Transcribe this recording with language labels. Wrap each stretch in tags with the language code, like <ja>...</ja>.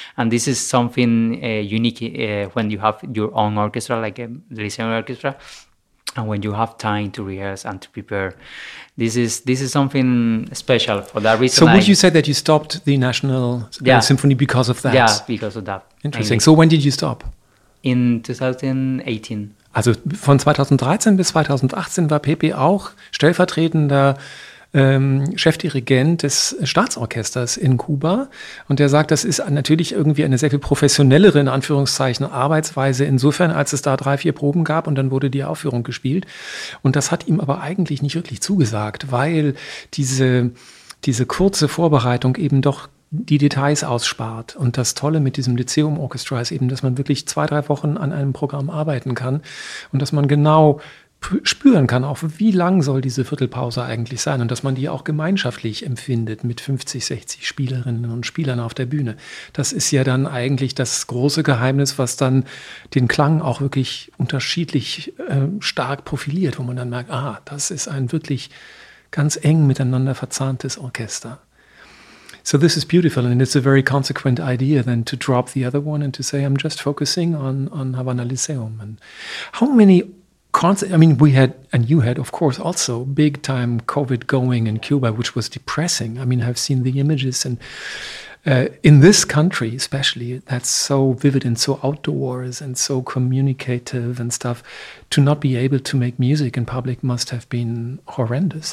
<en>And this is something unique when you have your own orchestra, like a Lyceum orchestra, and when you have time to rehearse and to prepare. This is something special. For that reason, so would you say that you stopped the National Symphony because of that? Yeah, because of that. Interesting. So when did you stop? In 2018.</en> <de>Also von 2013 bis 2018 war Pepe auch stellvertretender Chefdirigent des Staatsorchesters in Kuba. Und der sagt, das ist natürlich irgendwie eine sehr viel professionellere, in Anführungszeichen, Arbeitsweise, insofern, als es da 3-4 Proben gab und dann wurde die Aufführung gespielt. Und das hat ihm aber eigentlich nicht wirklich zugesagt, weil diese kurze Vorbereitung eben doch die Details ausspart. Und das Tolle mit diesem Lyceum Orchestra ist eben, dass man wirklich 2-3 Wochen an einem Programm arbeiten kann und dass man genau spüren kann, auch wie lang soll diese Viertelpause eigentlich sein und dass man die auch gemeinschaftlich empfindet mit 50, 60 Spielerinnen und Spielern auf der Bühne. Das ist ja dann eigentlich das große Geheimnis, was dann den Klang auch wirklich unterschiedlich stark profiliert, wo man dann merkt, ah, das ist ein wirklich ganz eng miteinander verzahntes Orchester.</de> <en>So this is beautiful and it's a very consequent idea then to drop the other one and to say I'm just focusing on Havana Lyceum. And how many concert, I mean, we had, and you had, of course, also big time COVID going in Cuba, which was depressing. I mean, I've seen the images, and in this country, especially, that's so vivid and so outdoors and so communicative and stuff, to not be able to make music in public must have been horrendous.</en>